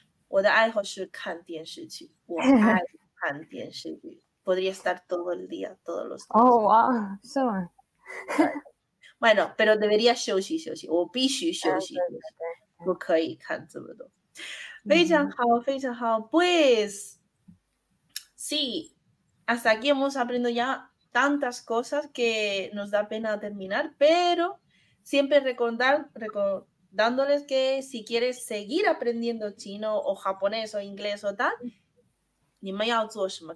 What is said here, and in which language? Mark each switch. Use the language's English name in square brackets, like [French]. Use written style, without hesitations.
[Chinese] 我的爱好是看电视剧，我折纸。爱看电视剧。 [Spanish] Podría estar todo el día, todos los días. [Chinese] 哦，哇，是吗？ [Spanish] Claro. Bueno, pero debería [Chinese] 休息休息，我必须休息休息，不可以看这么多。非常好，非常好。 [Spanish] Pues, sí, hasta aquí hemos aprendido ya tantas cosas que nos da pena terminar, pero siempre recordándoles que si quieres seguir aprendiendo chino o japonés o inglés o tal, ¿ni me ha hecho eso?